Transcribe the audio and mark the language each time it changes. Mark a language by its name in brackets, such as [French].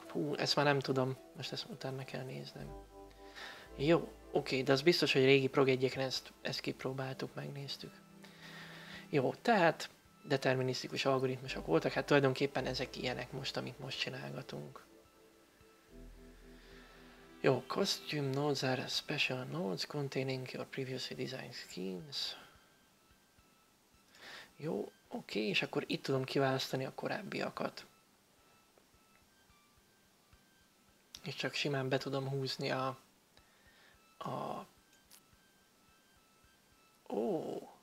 [Hungarian] Hú, ezt már nem tudom. Most ezt utána kell néznem. Jó, oké, de az biztos, hogy régi progedjeken ezt kipróbáltuk, megnéztük. Jó, tehát... determinisztikus algoritmusok voltak, hát tulajdonképpen ezek ilyenek most, amit most csinálgatunk. [English] Jó, costume nodes are special nodes containing your previously designed schemes. [Hungarian] Jó, oké, és akkor itt tudom kiválasztani a korábbiakat. És csak simán be tudom húzni a... Ó...